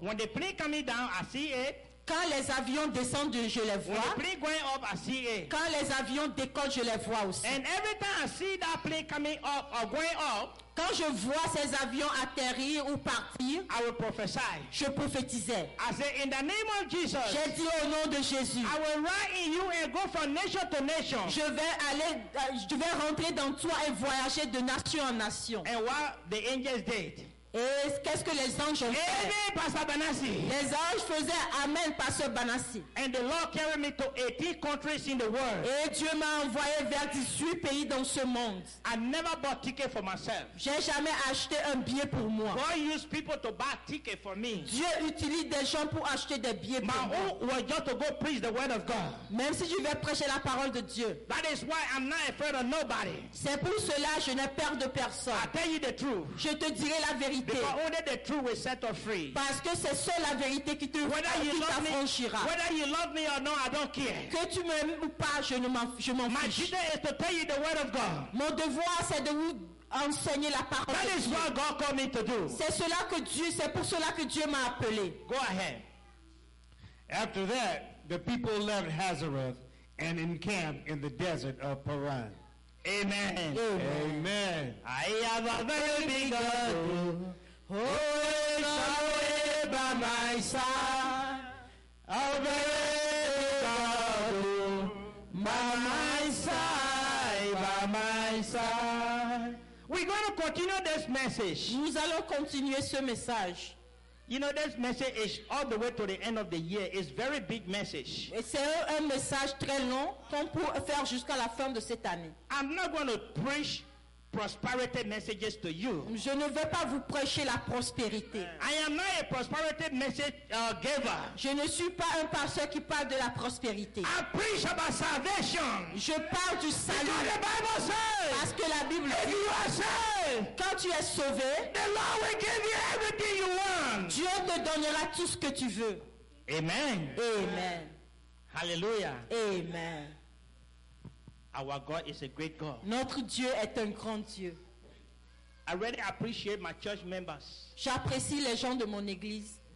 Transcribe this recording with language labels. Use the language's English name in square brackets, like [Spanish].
[English] When the plane coming down, I see it. [French] Quand les avions descendent, je les vois. [English] When the plane going up, I see it. [French] Quand les avions décollent, je les vois aussi. [English] And every time I see that plane coming up or going up, [French] quand je vois ces avions atterrir ou partir, [English] I will prophesy. [French] Je prophétisais. [English] I say, in the name of Jesus, [French] j'ai dit au nom de Jésus, [English] I will ride in you and go from nation to nation. [French] Je vais rentrer dans toi et voyager de nation en nation. [English] And what the angels did. [French] Et qu'est-ce que les anges ont fait? [English] Amen, Pasteur Banassi. [French] Les anges faisaient amen, Pasteur Banassi. [English] And the Lord carried me to 18 countries in the world. [French] Et Dieu m'a envoyé vers 18 pays dans ce monde. [English] I never bought ticket for myself. [French] J'ai jamais acheté un billet pour moi. [English] God used people to buy ticket for me. [French] Dieu utilise des gens pour acheter des billets pour [English] my [French] moi. [English] My own was just to go preach the word of God. [French] Même si je vais prêcher la parole de Dieu. [English] That is why I'm not afraid of nobody. [French] C'est pour cela que je n'ai peur de personne. [English] I tell you the truth. [French] Je te dirai la vérité. [English] Because only the truth will set us free. [French] Parce que c'est seule la vérité qui te t'affranchira. [English] Whether you love me or not, I don't care. [French] Que tu m'aimes ou pas, je m'en [English] my [French] fiche. [English] My duty is to tell you the word of God. [French] Mon devoir c'est de vous enseigner la parole. [English] That is what God called me to do. [French] C'est pour cela que Dieu m'a appelé. [English] Go ahead. After that, the people left Hazareth and encamped in the desert of Paran. Amen. Amen. I have a very big God. Oh, Yahweh by my side. A very big God. By my side. We're going to continue this message. [French] Nous allons continuer ce message. [English] You know, this message is all the way to the end of the year. It's a very big message. [French] C'est un message très long qu'on peut faire jusqu'à la fin de cette année. [English] I'm not going to preach prosperity messages to you. [French] Je ne vais pas vous prêcher la prospérité. [English] I am not a prosperity message giver. [French] Je ne suis pas un pasteur qui parle de la prospérité. [English] I preach about salvation. [French] Je parle du salut. [English] The Bible says, [French] parce que la Bible dit, [English] if you are saved, [French] quand tu es sauvé, [English] the Lord will give you everything you want. [French] Dieu te donnera tout ce que tu veux. [English] Amen. Amen. Hallelujah. Amen. Our God is a great God. [French] Notre Dieu est un grand Dieu. [English] I really appreciate my church members. [French] J'apprécie les gens de mon église.